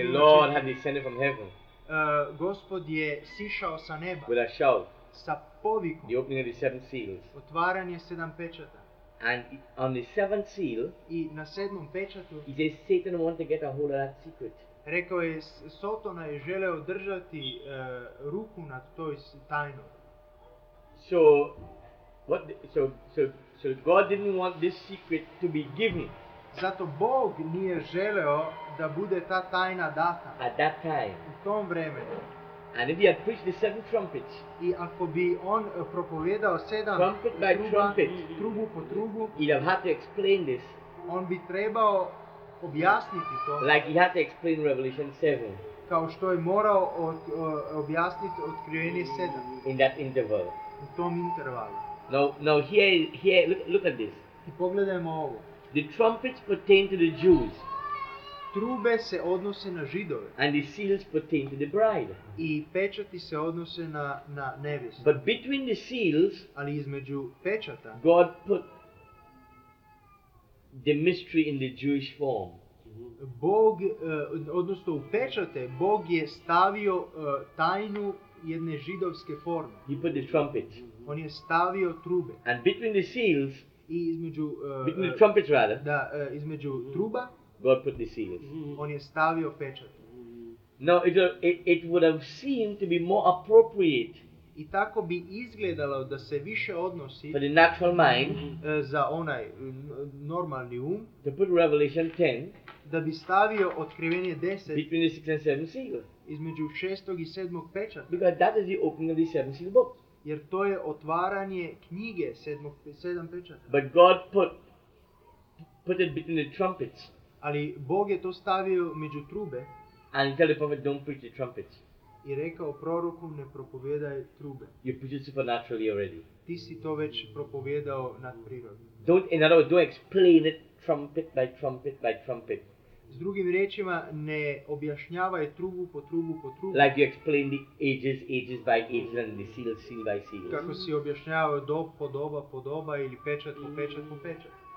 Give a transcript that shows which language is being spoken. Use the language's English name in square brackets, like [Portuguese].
[English] The Lord had descended from heaven. [Croatian] Gospod je sišao sa neba. [English] With a shout. [Croatian] Sa povikom. [English] The opening of the seven seals. [Croatian] Otvaranje sedam pečata. [English] And on the seventh seal. [Croatian] I na sedmom pečatu. [English] He says Satan wants to get a hold of that secret. [Croatian] Rekao je Sotona je želeo držati ruku nad toj tajnom. [English] So what so God didn't want this secret to be given. [Croatian] Zato Bog nije želeo da bude ta tajna data. [English] At that time. [Croatian] U tom vremenu. [English] And if he had preached the seven trumpets. [Croatian] I ako bi on propovedao sedam [English] trumpet by trumpet, [Croatian] trubu po trubu, [English] he'd have had to explain this. [Croatian] On bi trebao objasniti to. [English] Like he had to explain Revelation 7. [Croatian] Kao što je morao objasniti Otkrivenje 7. [English] In that interval. [Croatian] U tom intervalu. [English] No, here look at this. [Croatian] I pogledajmo ovo. [English] The trumpets pertain to the Jews. [Croatian] Trube se odnose na Židove. [English] And the seals pertain to the bride. [Croatian] I pečati se odnose na nevjestu. [English] But between the seals, [Croatian] ali između pečata, [English] God put the mystery in the Jewish form. [Croatian] Bog, odnosno u pečate, Bog je stavio tajnu jedne židovske forme. [English] He put the trumpets. [Croatian] On je stavio trube. [English] And between the seals, [Croatian] i između [English] between the trumpets rather, [Croatian] da, između truba, [English] God put the seals. [Croatian] On je stavio pečat. [English] Now it would have seemed to be more appropriate. [Croatian] I tako bi izgledalo da se više odnosi [English] for the natural mind, [Croatian] za onaj normalni um, [English] to put Revelation 10, [Croatian] da bi stavio Otkrivenje 10 [English] between the sixth and seventh seal. [Croatian] Između šestog i sedmog pečata. [English] Because that is the opening of the seventh seal book. [Croatian] Jer to je otvaranje knjige sedam pečata. [English] But God put it between the trumpets. [Croatian] Ali Bog je to stavio među trube. [English] And tell the prophet, don't preach the trumpets. [Croatian] I rekao proroku, ne propovijedaj trube. [English] You preach it supernaturally already. [Croatian] Ti si to već propovijedao nadprirodno. [English] Don't, in other words, don't explain it trumpet by trumpet by trumpet. [Croatian] S drugim riječima, ne objašnjavaj trubu po trubu po trubu. [English] Like you explain the ages, ages by ages, and the seal, seal by seal. [Croatian] Kako si objašnjavao dob po doba po doba ili pečat po pečat po pečat.